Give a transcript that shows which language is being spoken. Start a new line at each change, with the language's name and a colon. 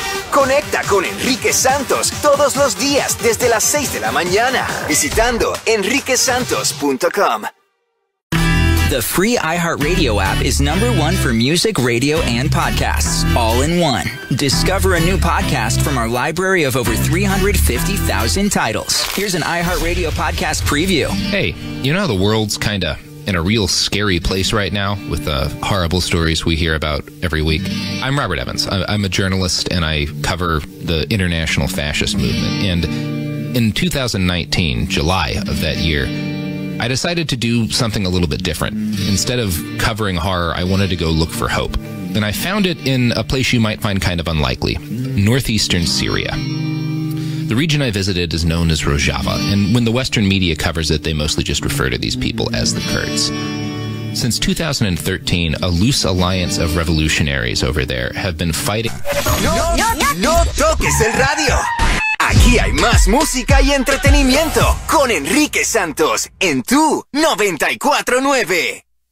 Spanish: Conecta con Enrique Santos todos los días desde las 6 de la mañana visitando enriquesantos.com.
English: The free iHeartRadio app is number one for music, radio, and podcasts, all in one. Discover a new podcast from our library of over 350,000 titles. Here's an iHeartRadio podcast preview. Hey, you know how the world's kind of in a real scary place right now with the horrible stories we hear about every week? I'm Robert Evans. I'm a journalist, and I cover the international fascist movement. And in 2019, July of that year, I decided to do something a little bit different. Instead of covering horror, I wanted to go look for hope. And I found it in a place you might find kind of unlikely, northeastern Syria. The region I visited is known as Rojava, and when the Western media covers it, they mostly just refer to these people as the Kurds. Since 2013, a loose alliance of revolutionaries over there have been fighting.
Spanish: No toques el radio. Aquí hay más música y entretenimiento con Enrique Santos en Tu 94.9.